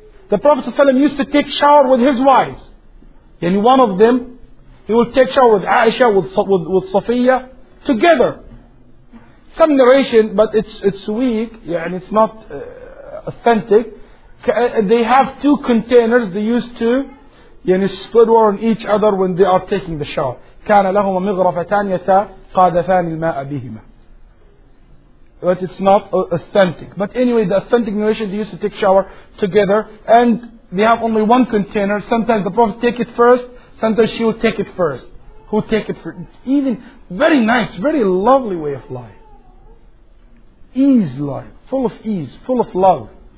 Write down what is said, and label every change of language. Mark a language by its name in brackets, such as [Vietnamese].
[English] The Prophet ﷺ used to take shower with his wives. And one of them, he would take shower with Aisha, with Safiya, together. Some narration, but it's weak, and it's not authentic. They have two containers, they used to split water on each other when they are taking the shower. [Arabic] كان لهما مغرفتان يتقادفان الماء بهما. [English] But it's not authentic. But anyway, the authentic narration, they used to take shower together, and they have only one container. Sometimes the Prophet take it first, sometimes she would take it first. Who take it first? Even very nice, very lovely way of life. Ease life, full of ease, full of love.